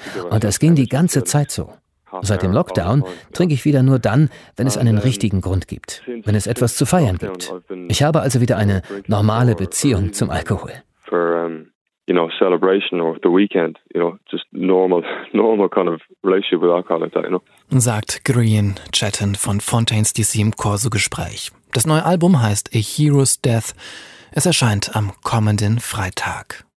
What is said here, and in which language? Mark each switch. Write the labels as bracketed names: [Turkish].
[German] Und das ging die ganze Zeit so. Seit dem Lockdown trinke ich wieder nur dann, wenn es einen richtigen Grund gibt, wenn es etwas zu feiern gibt. Ich habe also wieder eine normale Beziehung zum Alkohol. [English] You know, celebration or the weekend, you know, just normal kind of relationship with alcohol, like that, you know. [German] Sagt Green Chatton von Fontaines DC im Corso-Gespräch. Das neue Album heißt A Hero's Death. Es erscheint am kommenden Freitag.